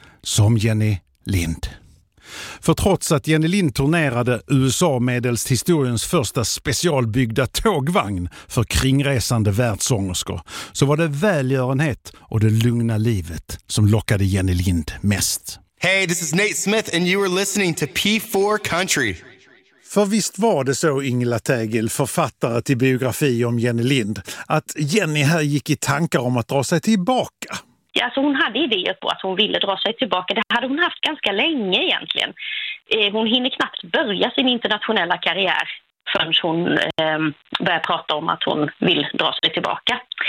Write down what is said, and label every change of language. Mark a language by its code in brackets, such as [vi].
[sv] Som Jenny Lind. För trots att Jenny Lind turnerade USA medelst historiens första specialbyggda tågvagn för kringresande världsångerskor, så var det välgörenhet och det lugna livet som lockade Jenny Lind mest. [en] Hey, this is Nate Smith and you are listening to P4 Country. [sv] För visst var det så, Ingela Tegel, författare till biografi om Jenny Lind, att Jenny här gick i tankar om att dra sig tillbaka? Ja, alltså hon hade idéer på att hon ville dra sig tillbaka. Det hade hon haft ganska länge egentligen. Hon hinner knappt börja sin internationella karriär förrän hon börjar prata om att hon vill dra sig tillbaka.